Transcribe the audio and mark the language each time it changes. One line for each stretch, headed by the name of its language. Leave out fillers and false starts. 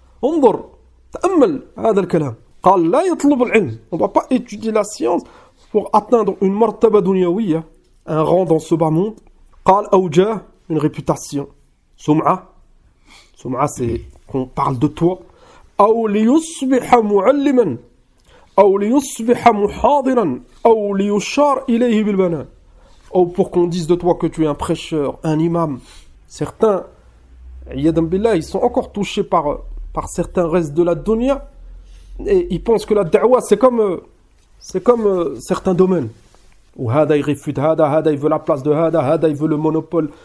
Arabic: Ondur, ta'ammal, hada al-kalam. قال لا يطلب العلم.
French: On va pas étudier la science pour atteindre une
Arabic: martaba dunyawiyya,
French: un rang dans ce bas monde.
Arabic: قال أوجاه,
French: une réputation.
Arabic: سمعه, سمعه
French: c'est qu'on parle de toi.
Arabic: أو ليصبح معلما أو ليصبح محاضرا أو ليشار إليه بالبنان.
French: Ou pour qu'on dise de toi que tu es un prêcheur, un imam. Certains, yadam billah, ils sont encore touchés par certains restes de la dunya. Et il pense que la da'wa, c'est comme certains domaines. Où hada, il réfute hada, hada, il veut la place de hada, hada, il veut le monopole.